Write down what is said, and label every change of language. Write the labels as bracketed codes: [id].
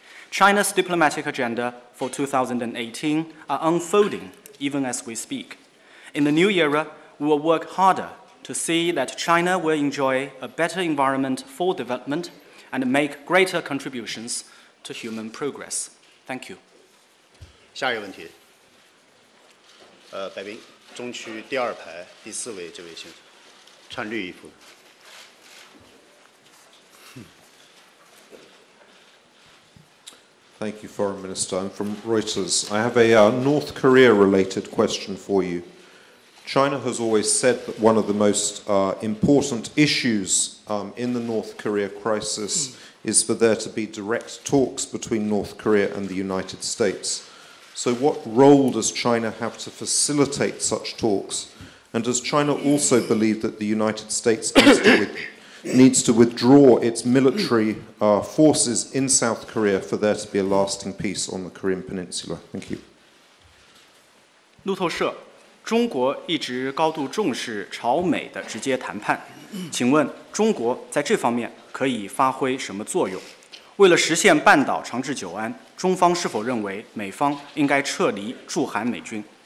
[en] China's diplomatic agenda for 2018 are unfolding even as we speak. In the new era, we will work harder to see that China will enjoy a better environment for development and make greater contributions to human progress. Thank you. [zh] 下一个问题，白冰，中区第二排第四位这位先生，穿绿衣服。 [en] Thank you, Foreign Minister. I'm from Reuters. I have a North Korea-related question for you. China has always said that one of the most important issues in the North Korea crisis is for there to be direct talks between North Korea and the United States. So what role does China have to facilitate such talks? And does China also believe that the United States needs to withdraw its military forces in South Korea for there to be a lasting peace on the Korean Peninsula? Thank you. [zh] 路透社, 中国一直高度重视朝美的直接谈判, 请问中国在这方面可以发挥什么作用? 为了实现半岛长治久安, 中方是否认为美方应该撤离驻韩美军?